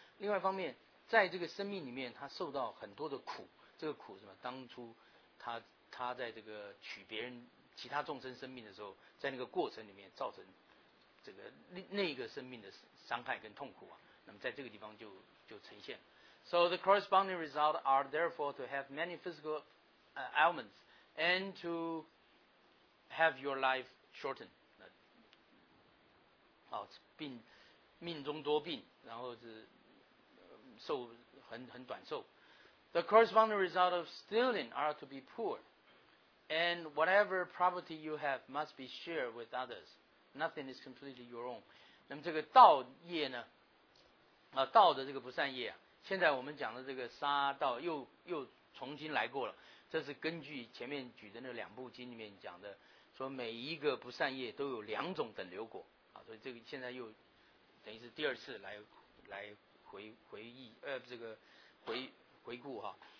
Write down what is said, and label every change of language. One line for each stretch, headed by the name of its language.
Chinese: 另外一方面，在这个生命里面，他受到很多的苦。这个苦是什么？当初他在这个取别人其他众生生命的时候，在那个过程里面造成这个那个生命的伤害跟痛苦啊。那么在这个地方就呈现。
English: So the corresponding result are therefore to have many physical ailments and to have your life shortened.
Chinese: 哦，病命中多病，然后是寿很短寿。
English: The corresponding result of stealing are to be poor, and whatever property you have must be shared with others. Nothing is completely your own.
Chinese: 那么这个盗业呢？盗的这个不善业啊，现在我们讲的这个杀盗又重新来过了。这是根据前面举的那两部经里面讲的，说每一个不善业都有两种等流果。所以这个现在又等于是第二次来回忆这个回顾哈。